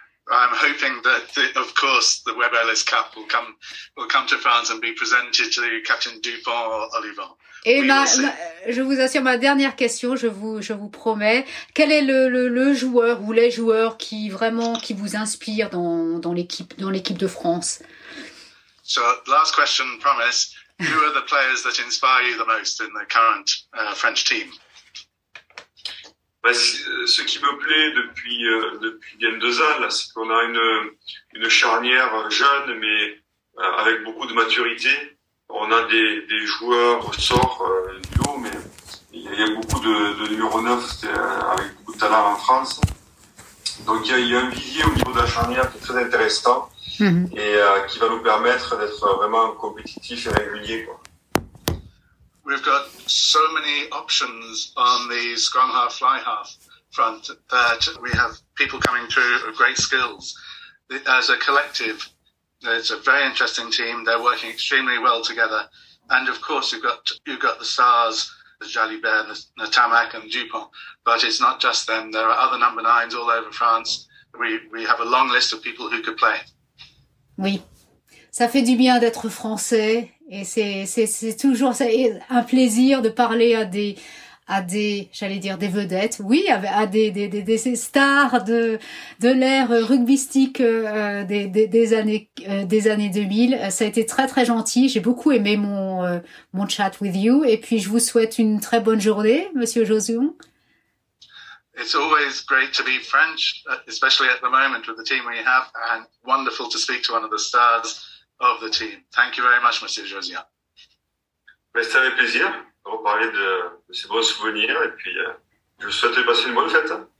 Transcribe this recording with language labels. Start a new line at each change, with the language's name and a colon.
English: I'm hoping that of course the Webb Ellis Cup will come to France and be presented to Captain Dupont or Olivon.
French: Et je vous assure, ma dernière question, je vous promets, quel est le joueur ou les joueurs qui vous inspirent dans l'équipe de France?
English: So last question, promise. Who are the players that inspire you the most in the current French team?
French: Ben, ce qui me plaît depuis bien deux ans, là, c'est qu'on a une charnière jeune, mais avec beaucoup de maturité. On a des joueurs ressorts du haut, mais il y a beaucoup de numéro 9 avec beaucoup de talent en France. Donc il y a un vivier au niveau de la charnière qui est très intéressant. Mm-hmm. Et qui va nous permettre d'être vraiment compétitifs et réguliers, quoi.
English: we've got so many options on the scrum half, fly half front that we have people coming through with great skills. As a collective, it's a very interesting team. They're working extremely well together. And of course, you've got the stars, the Jalibert, the Tamak and Dupont. But it's not just them. There are other number nines all over France. We have a long list of people who could play.
French: Oui. Ça fait du bien d'être français et c'est toujours un plaisir de parler à des vedettes, oui, à des stars de l'ère rugbystique des années 2000. Ça a été très très gentil. J'ai beaucoup aimé mon
English: chat with you
French: et puis je vous souhaite une très bonne journée, Monsieur Jauzion.
English: It's always great to be French, especially at the moment with the team we have, and wonderful to speak to one of the stars of the team. Thank you very much, Monsieur Jauzion.
French: C'est un plaisir de reparler de ces bons souvenirs et puis je vous souhaite de passer une bonne fête.